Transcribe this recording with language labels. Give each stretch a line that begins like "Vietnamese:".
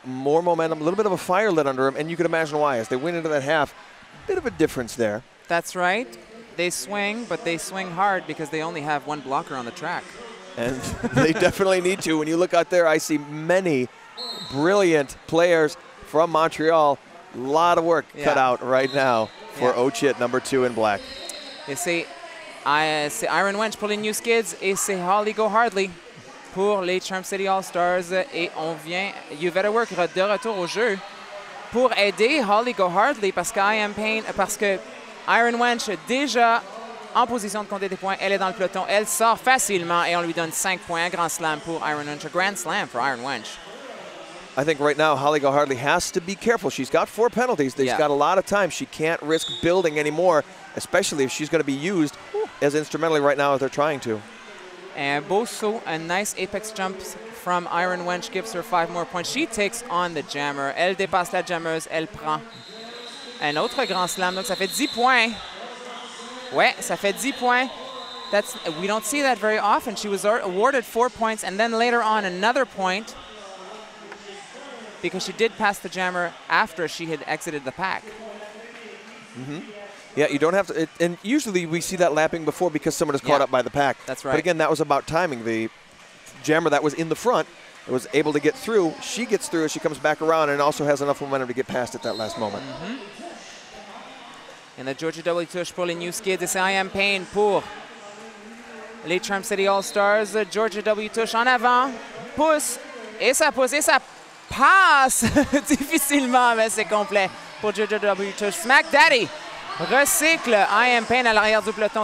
English: more momentum, a little bit of a fire lit under them, and you can imagine why. As they went into that half, a bit of a difference there. That's right. They swing, but they swing hard because they only have one blocker on the track. And they definitely need to. When you look out there, I see many brilliant players from Montreal. A lot of work cut out right now for Ochit, number 2 in black.
French: Et c'est Iron Wench pour les New Skids et c'est Holly Go Hardly pour les Charm City All-Stars. Et on vient, You Better Work, de retour au jeu pour aider Holly Go Hardly parce que I Am Pain, parce que Iron Wench, déjà en position de compter des points, elle est dans le peloton, elle sort facilement et on lui donne 5 points, un grand slam pour Iron Wench,
English: a grand slam for Iron Wench. I think right now Holly Go Hardly has to be careful. She's got 4 penalties. She's got a lot of time. She can't risk building anymore, especially if she's going to be used as instrumentally right now as they're trying to.
French: Un beau saut,
English: a nice apex jump from Iron Wench gives her 5 more points. She takes on the jammer.
French: Elle dépasse la jammeuse, elle prend un autre grand slam, donc ça fait 10 points. Ouais, ça fait 10 points.
English: We don't see that very often. She was awarded 4 points and then later on another point because she did pass the jammer after she had exited the pack. Mm-hmm. Yeah, you don't have to. And usually we see that lapping before because someone is caught up by the pack. That's right. But again, that was about timing. The jammer that was in the front was able to get through. She gets through as she comes back around and also has enough momentum to get past at that last moment.
French: Mm-hmm. Et la Georgia W. Tush pour les New Skids. Et c'est I Am Pain pour les Charm City All-Stars. Georgia W. Tush en avant. Pousse. Et ça pousse. Et ça passe. Difficilement, mais c'est complet pour Georgia W. Tush. Smack Daddy recycle I Am Pain à l'arrière du peloton.